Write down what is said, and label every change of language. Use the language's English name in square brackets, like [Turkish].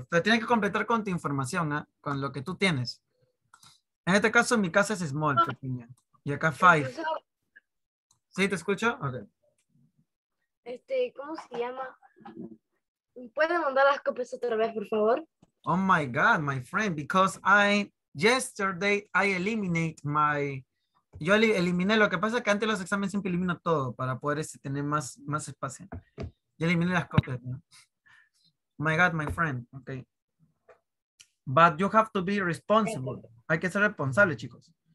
[Spanish] Pero tienes que completar con tu información, ¿eh? Con lo que tú tienes. En este caso, mi casa es small, pequeña. Y acá five. ¿Sí, te escucho? Okay. ¿Cómo se llama? ¿Puede mandar las copias otra vez, por favor? [English] Oh my God, my friend, because yesterday I eliminate my. [Spanish] Yo eliminé, lo que pasa es que antes los exámenes siempre elimino todo para poder tener más espacio. Yo eliminé las copias, ¿no? [English] My God, my friend, [Spanish] okay. [English] But you have to be responsible. [Spanish] Hay que ser responsable, chicos.